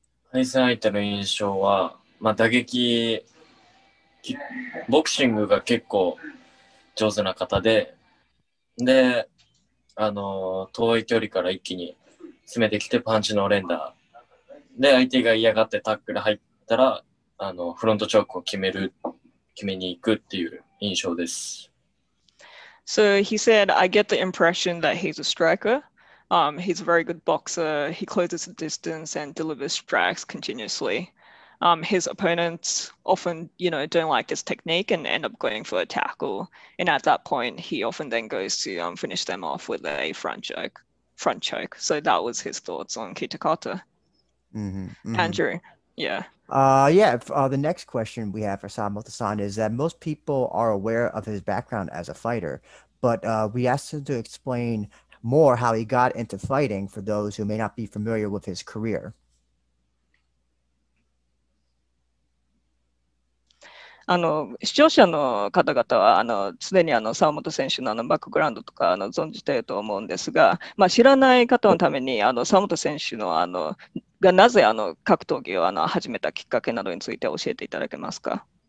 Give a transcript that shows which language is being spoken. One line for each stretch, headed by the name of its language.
Japanese: 対戦相手の印象は、まあ、打撃、ボクシングが結構上手な方で、で、遠い距離から一気に詰めてきてパンチの連打。で、相手が嫌がってタックル入ったら、フロントチョークを決めに行くっていう印象です。
English: So he said, I get the impression that he's a striker. He's a very good boxer. He closes the distance and delivers strikes continuously. His opponents often, don't like his technique and end up going for a tackle. And at that point, he often then goes to finish them off with a front choke. So that was his thoughts on Kitakata. Andrew, yeah. The next question we have for Sawamoto-san is that most people are aware of his background as a fighter, but we asked him to explain more how he got into fighting for those who may not be familiar with his career.
Japanese: 視聴者の方々は既に沢本選手 のバックグラウンドとか存じていると思うんですが、まあ、知らない方のために沢本選手 の, がなぜ格闘技を始めたきっかけなどについて教えていただけますか。